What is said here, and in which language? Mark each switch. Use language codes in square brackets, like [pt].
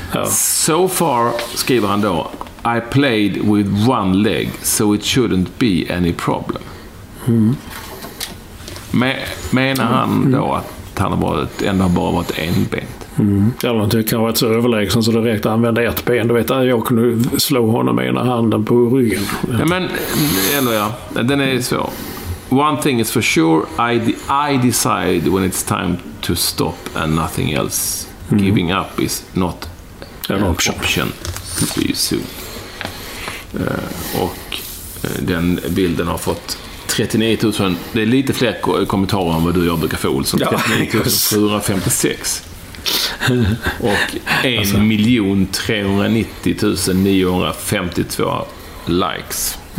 [en] So far, [sv] skriver han då, [en] I played with one leg, so it shouldn't be any problem. [sv] Menar han då att han har varit, ändå har bara varit enbent? Eller han tycker han har varit så överlägsen så det räckte att använda ett ben. Du vet, jag kunde slå honom med ena handen på ryggen. Ja, men ändå, ja. Den är så. [en] One thing is for sure, I decide when it's time to stop and nothing else. Giving up is not an option. See you soon. [sv] Och den bilden har fått 39 000, det är lite fler kommentarer än vad du och jag brukar få, Olsson. 39 456. Och 1,390,952 likes.